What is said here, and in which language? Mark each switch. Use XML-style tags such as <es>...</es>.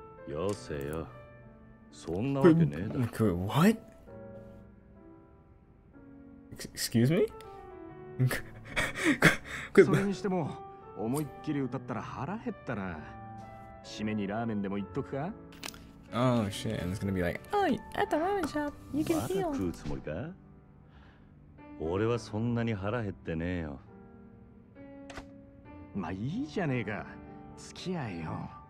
<ja>よせよ。そんなわけねえだ。</ja> <en>What? Excuse me?</en> <ja>それにしても思いっきり歌ったら腹減ったな。締めにラーメンでも行っとくか。</ja> <en>Oh shit, and it's gonna be like Oi, at the ramen shop, you can heal.</en> <ja>まだ食うつもりか。俺はそんなに腹減ってねえよ。まあいいじゃねえか、付き合えよ。</ja>